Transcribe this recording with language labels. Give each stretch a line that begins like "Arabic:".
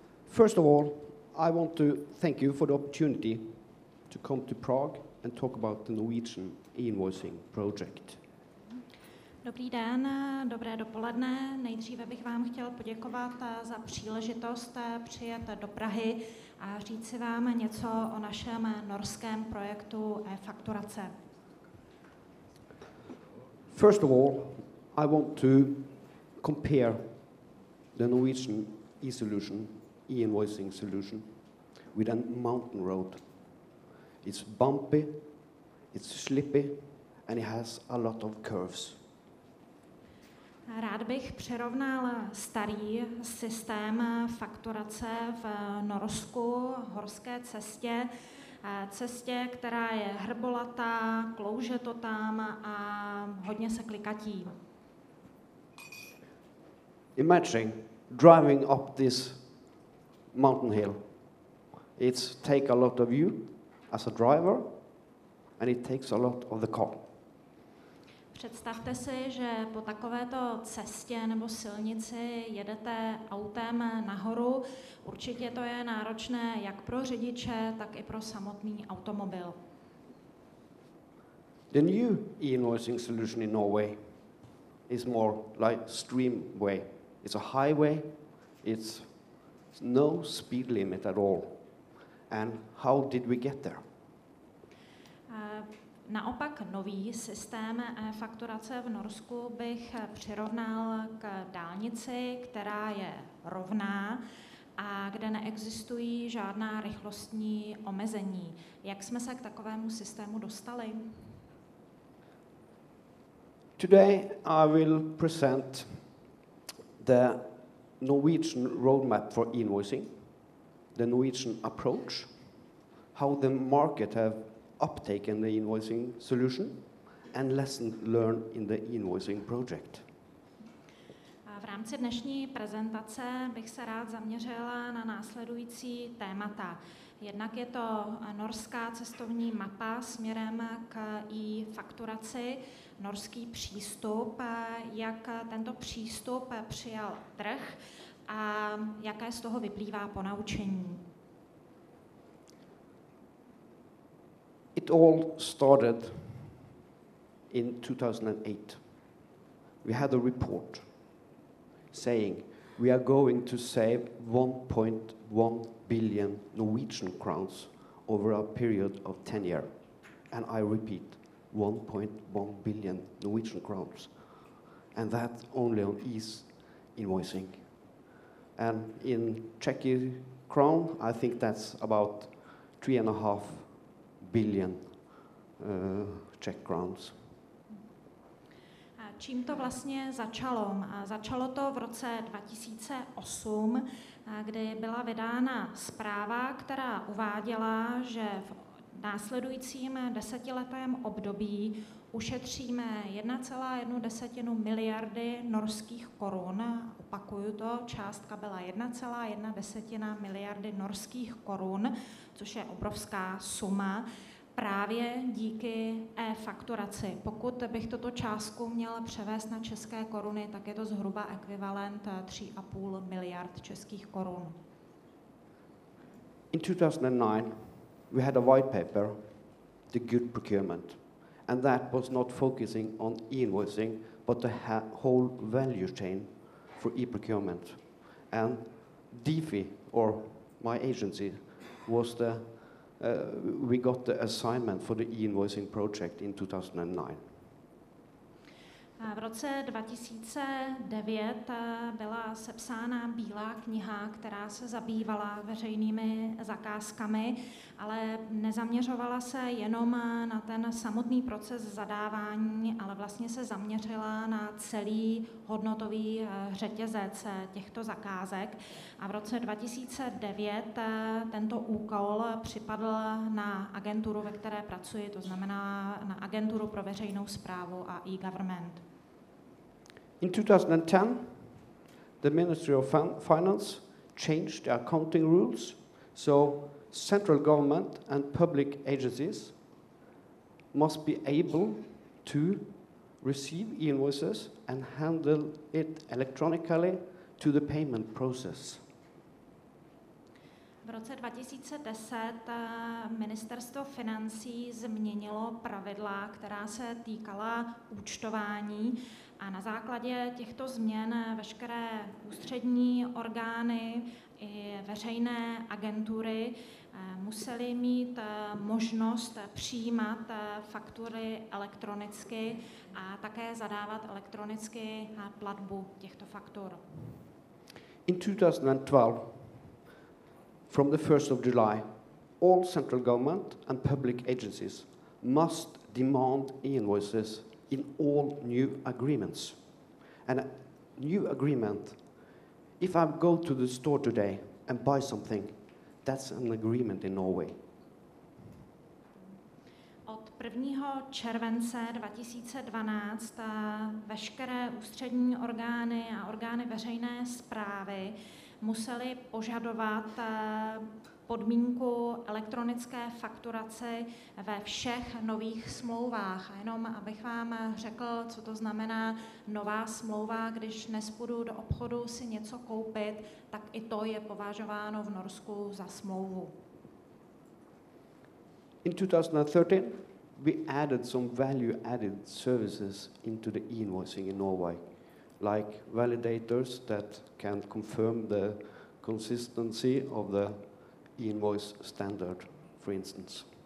English: First of all, I want to thank you for the opportunity to come to Prague and talk about the Norwegian e-invoicing project.
Czech: Dobrý den, dobré dopoledne. Nejdříve bych vám chtěl poděkovat za příležitost přijet do Prahy a říct si vám něco o našem norském projektu e-fakturace.
English: First of all, I want to compare the Norwegian e-solution, e-invoicing solution, with a mountain road. It's bumpy, it's slippy, and it has a lot of curves.
Czech: Rád bych přirovnal starý systém fakturace v Norsku, horské cestě, cestě, která je hrbolatá, klouže to tam a hodně se klikatí.
English: Imagine driving up this mountain hill. It takes a lot of you as a driver and it takes a lot of the car.
Czech: Představte si, že po takovéto cestě nebo silnici jedete autem nahoru. Určitě to je náročné jak pro řidiče, tak i pro samotný automobil.
English: The new e-invoicing solution in Norway is more like streamway. It's a highway. It's no speed limit at all. And how did we get there?
Czech: Naopak nový systém fakturace v Norsku bych přirovnal k dálnici, která je rovná a kde neexistují žádná rychlostní omezení. Jak jsme se k takovému systému dostali?
English: Today I will present the Norwegian roadmap for invoicing, the Norwegian approach, how the market have uptake in the invoicing solution and lessons learned in the invoicing project.
Czech: V rámci dnešní prezentace bych se rád zaměřila na následující témata. Jednak je to norská cestovní mapa směrem k e-fakturaci, norský přístup, jak tento přístup přijal trh a jaké z toho vyplývá ponaučení.
English: It all started in 2008. We had a report saying we are going to save 1.1 billion Norwegian crowns over a period of 10 years. And I repeat, 1.1 billion Norwegian crowns. And that only on e-invoicing. And in Czech crown, I think that's about 3.5 billion Czech crowns.
Czech: Čím to vlastně začalo? Začalo to v roce 2008, kdy byla vydána zpráva, která uváděla, že v následujícím desetiletém období ušetříme 1,1 desetinu miliardy norských korun. Opakuju to, částka byla 1,1 desetina miliardy norských korun, což je obrovská suma, právě díky e-fakturaci. Pokud bych toto částku měla převést na české koruny, tak je to zhruba ekvivalent 3,5 miliard českých korun.
English: In 2009, we had a white paper, The Good Procurement, and that was not focusing on e-invoicing, but the whole value chain for e-procurement. And DeFi, or my agency, was the we got the assignment for the e-invoicing project in 2009.
Czech: V roce 2009 byla sepsána bílá kniha, která se zabývala veřejnými zakázkami, ale nezaměřovala se jenom na ten samotný proces zadávání, ale vlastně se zaměřila na celý hodnotový řetězec těchto zakázek. A v roce 2009 tento úkol připadl na agenturu, ve které pracuji, to znamená na agenturu pro veřejnou správu a e-government.
English: In 2010, the Ministry of Finance changed the accounting rules, so central government and public agencies must be able to receive e-invoices and handle it electronically to the payment process.
Czech: V roce 2010 ministerstvo financí změnilo pravidla, která se týkala účtování, a na základě těchto změn veškeré ústřední orgány i veřejné agentury museli mít možnost přijímat faktury elektronicky a také zadávat elektronicky platbu těchto faktur.
English: In 2012, from the 1st of July, all central government and public agencies must demand e-invoices in all new agreements. And a new agreement, if I go to the store today and buy something, that's an agreement in Norway.
Czech: Od 1. července 2012 veškeré ústřední orgány a orgány veřejné správy museli požadovat podmínku elektronické fakturace ve všech nových smlouvách. A jenom abych vám řekl, co to znamená nová smlouva, když dnes půjdu do obchodu si něco koupit, tak i to je považováno v Norsku za smlouvu.
English: In 2013 we added some value added services into the e-invoicing in Norway, like validators that can confirm the consistency of the invoice standard, for instance.